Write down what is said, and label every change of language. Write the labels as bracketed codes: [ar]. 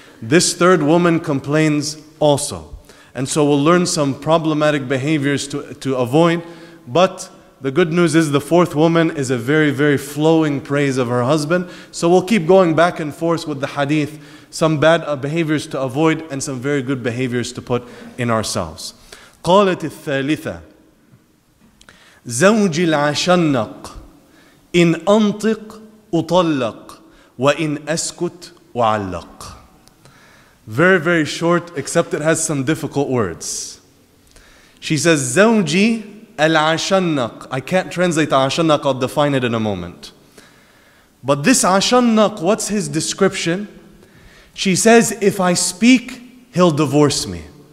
[en] This third woman complains also. And so we'll learn some problematic behaviors to avoid. But the good news is the fourth woman is a very, very flowing praise of her husband. So we'll keep going back and forth with the hadith. Some bad behaviors to avoid and some very good behaviors to put in ourselves. [ar] قالت الثالثة زوجي العشنق إن أنطق أطلق وإن أسكت أعلق. [en] Very, very short, except it has some difficult words. She says, [ar] زوجي العشنق. [en] I can't translate عشنق, I'll define it in a moment. But this عشنق, what's his description? She says, if I speak, he'll divorce me.